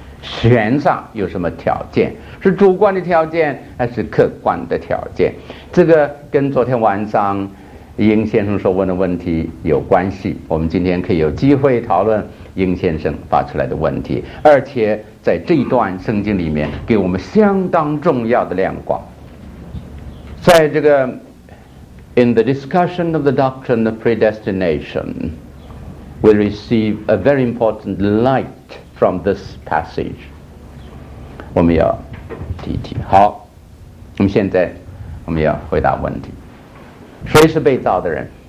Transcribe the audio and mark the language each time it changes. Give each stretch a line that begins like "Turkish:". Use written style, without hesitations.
Chinese: 选上有什么条件？是主观的条件还是客观的条件？这个跟昨天晚上英先生所问的问题有关系，我们今天可以有机会讨论英先生发出来的问题，而且在这一段圣经里面给我们相当重要的亮光。在这个
English: In the discussion of the doctrine of predestination we receive a very important light from this passage.
Chinese: 我们要提一提。好，那么现在我们要回答问题，谁是被造的人？